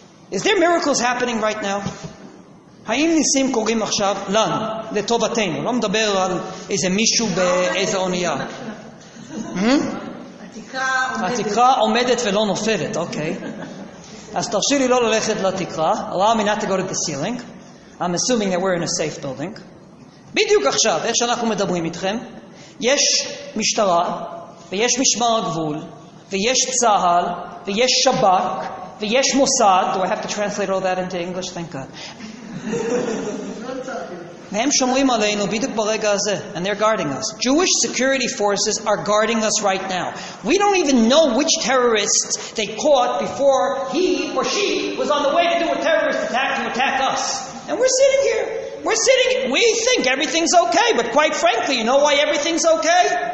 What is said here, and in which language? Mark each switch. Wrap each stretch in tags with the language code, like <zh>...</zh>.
<en>Is there miracles happening right now?</en> <he>האם ניסים קורים עכשיו לנו, לטובתנו? לא מדבר על איזה מישהו באיזה אונייה. התקרה עומדת ולא נופלת, אוקיי. אז תרשי לי לא ללכת לתקרה.</he> <en>Allow me not to go to the ceiling. I'm assuming that we're in a safe building.</en> <he>בדיוק עכשיו, איך שאנחנו מדברים איתכם, יש משטרה, ויש משמר הגבול, ויש צהל, ויש שבק, ויש מוסד.</he> <en>Do I have to translate all that into English? Thank God.</en> <he>והם שומרים עלינו בדיוק ברגע הזה,</he> <en>and they're guarding us. Jewish security forces are guarding us right now. We don't even know which terrorists they caught before he or she was on the way to do a terrorist attack to attack us. And we're sitting here. We think everything's okay, but quite frankly, you know why everything's okay?</en>